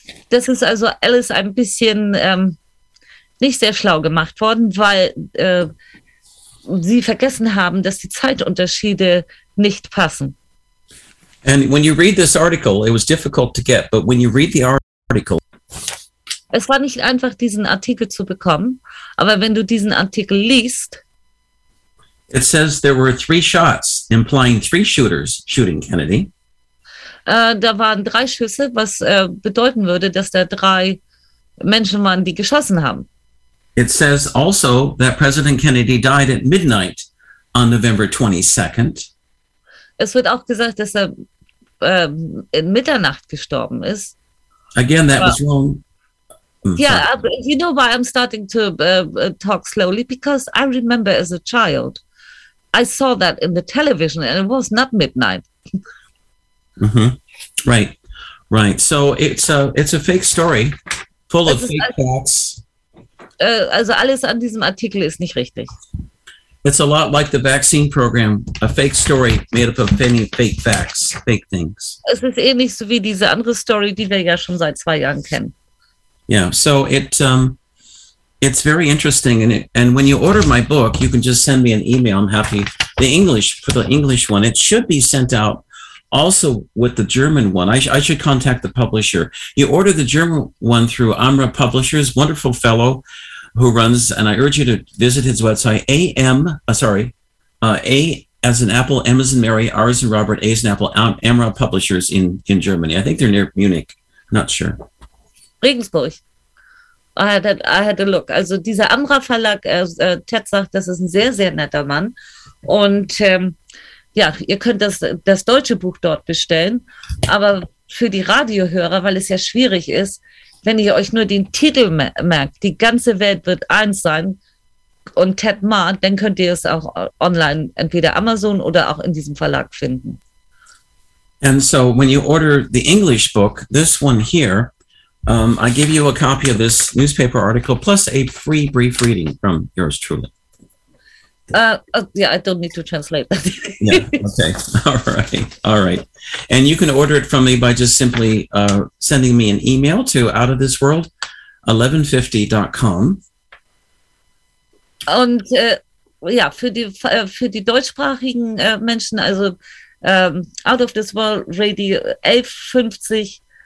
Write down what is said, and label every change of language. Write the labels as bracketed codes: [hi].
[de] Das ist also alles ein bisschen nicht sehr schlau gemacht worden, weil sie vergessen haben, dass die Zeitunterschiede nicht passen. [en] And when you read this article, it was difficult to get, but when you read the article, [de] es war nicht einfach, diesen Artikel zu bekommen, aber wenn du diesen Artikel liest, [en] it says there were three shots, implying three shooters shooting Kennedy. [de] Da waren drei Schüsse, was bedeuten würde, dass da drei Menschen waren, die geschossen haben. [en] It says also that President Kennedy died at midnight on November 22nd. [de] Es wird auch gesagt, dass er in Mitternacht gestorben ist. [en] Again, that was wrong. Yeah, you know why I'm starting to talk slowly? Because I remember as a child, I saw that in the television and it was not midnight. Mm-hmm. Right, right. So it's a fake story, full of fake facts. [de] Also alles an diesem Artikel ist nicht richtig. [en] It's a lot like the vaccine program, a fake story made up of many fake facts, fake things. [de] Es ist ähnlich so wie diese andere Story, die wir ja schon seit 2 Jahren kennen. [en] Yeah, so it's very interesting. And when you order my book, you can just send me an email. I'm happy. The English, for the English one, it should be sent out also with the German one. I should contact the publisher. You order the German one through Amra Publishers, wonderful fellow who runs, and I urge you to visit his website, A as in Apple, M as in Mary, R as in Robert, A as in Apple, Amra Publishers in Germany. I think they're near Munich, not sure. Regensburg. I had a look. [de] Also dieser Amra Verlag, Ted sagt, das ist ein sehr, sehr netter Mann. Und ja, ihr könnt das deutsche Buch dort bestellen. Aber für die Radiohörer, weil es ja schwierig ist, wenn ihr euch nur den Titel merkt, die ganze Welt wird eins sein und Ted Ma, dann könnt ihr es auch online, entweder Amazon oder auch in diesem Verlag finden. [en] And so when you order the English book, this one here, I give you a copy of this newspaper article plus a free brief reading from yours truly. Yeah, I don't need to translate that. Yeah, okay. All right. And you can order it from me by just simply sending me an email to outofthisworld1150.com. [de] Und ja, für die deutschsprachigen Menschen, also Out of This World Radio 1150.